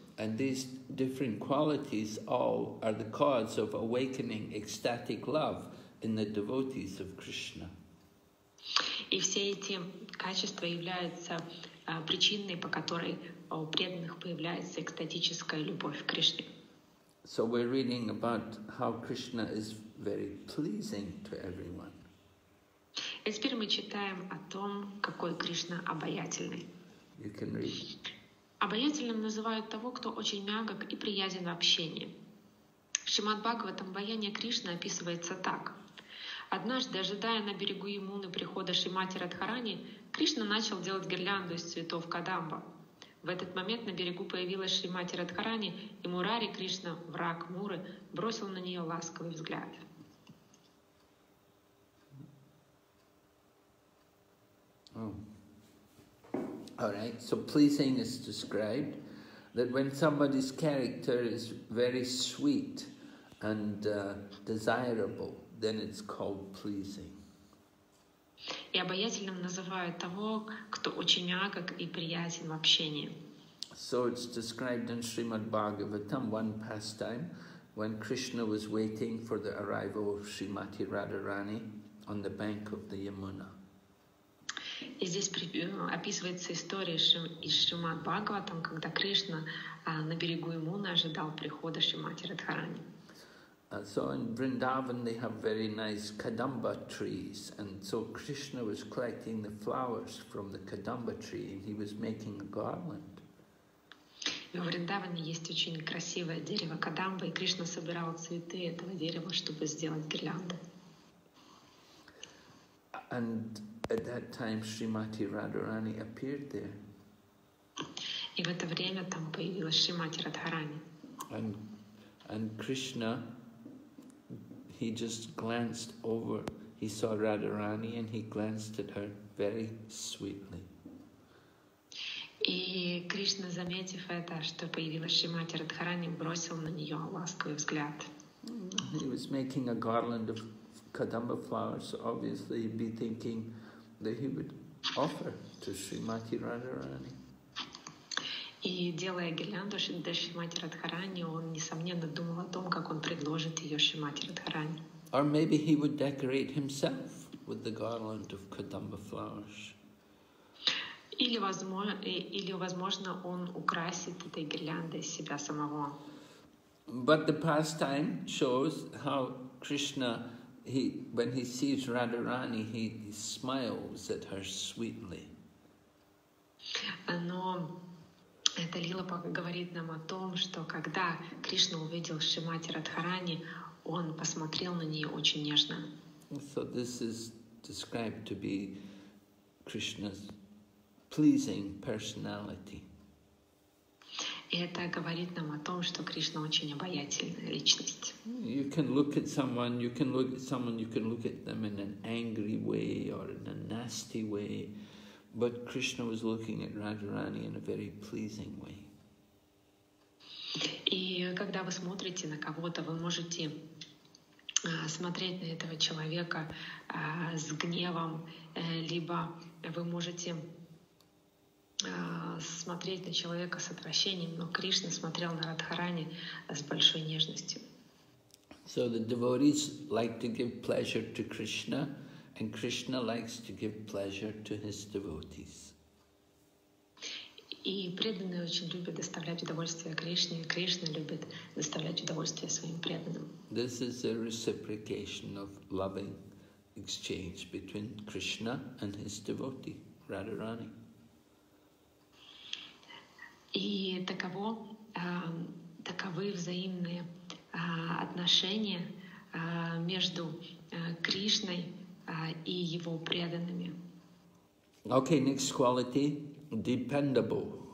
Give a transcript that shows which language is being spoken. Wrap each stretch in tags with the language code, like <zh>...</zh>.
<en>And these different qualities all are the cause of awakening ecstatic love in the devotees of Krishna.</en> <ru>И все эти качества являются причиной, по которой у преданных появляется экстатическая любовь к Кришне.</ru> <en>So we're reading about how Krishna is very pleasing to everyone.</en> <ru>И теперь мы читаем о том, какой Кришна обаятельный.</ru> <en>You can read.</en> <ru>Обаятельным называют того, кто очень мягок и приятен в общении. В Шримад-Бхагаватам обаяние Кришны описывается так. Однажды, ожидая на берегу Ямуны прихода Шримати Радхарани, Кришна начал делать гирлянду из цветов кадамба. В этот момент на берегу появилась Шримати Радхарани, и Мурари Кришна, враг Муры, бросил на нее ласковый взгляд.</ru> <en>Oh. All right. So pleasing is described that when somebody's character is very sweet and desirable, then it's called pleasing.</en> <ru>И обаятельным называют того, кто очень мягок и приятен в общении.</ru> <en>So it's described in Srimad Bhagavatam, one pastime, when Krishna was waiting for the arrival of Srimati Radharani on the bank of the Yamuna.</en> <ru>И здесь описывается история из Шримад Бхагаватам, когда Кришна на берегу Ямуны ожидал прихода Шримати Радхарани.</ru> <en>So in Vrindavan they have very nice kadamba trees, and so Krishna was collecting the flowers from the kadamba tree and he was making a garland.</en> <ru>В Вриндаване есть очень красивое дерево кадамба, и Кришна собирал цветы этого дерева, чтобы сделать гирлянду.</ru> <en>And at that time Srimati Radharani appeared there.</en> <ru>И в это время там появилась Шримати Радхарани.</ru> <en>And Krishna, he just glanced over, he saw Radharani and he glanced at her very sweetly.</en> <ru>И Кришна, заметив это, что появилась Шримати Радхарани, бросил на нее ласковый взгляд.</ru> <en>He was making a garland of kadamba flowers, so obviously he'd be thinking that he would offer to Srimati Radharani.</en> <ru>И делая гирлянду для Шримати Радхарани, он, несомненно, думал о том, как он предложит ее Шримати Радхарани.</ru> <en>Or maybe he would decorate himself with the garland of kadamba flowers.</en> <ru>Или возможно, он украсит этой гирляндой себя самого.</ru> <en>But the pastime shows how Krishna, when he sees Radharani, he smiles at her sweetly.</en> <ru>Но эта лила говорит нам о том, что когда Кришна увидел Шримати Радхарани, он посмотрел на нее очень нежно.</ru> <en>So this is described to be Krishna's pleasing personality.</en> <ru>И это говорит нам о том, что Кришна очень обаятельная личность.</ru> <en>You can look at someone, you can look at someone, you can look at them in an angry way or in a nasty way, But Krishna was looking at Radharani in a very pleasing way.</en> <ru>И когда вы смотрите на кого-то, вы можете смотреть на этого человека с гневом, либо вы можете смотреть на человека с отвращением, но Кришна смотрел на Радхарани с большой нежностью.</ru> <en>So the devotees like to give pleasure to Krishna, and Krishna likes to give pleasure to his devotees.</en> <ru>И преданные очень любят доставлять удовольствие Кришне, и Кришна любит доставлять удовольствие своим преданным.</ru> <en>This is a reciprocation of loving exchange between Krishna and his devotee, Radharani.</en> <ru>И таковы взаимные отношения между Кришной и его преданными.</ru> <en>Okay, next quality. Dependable.</en>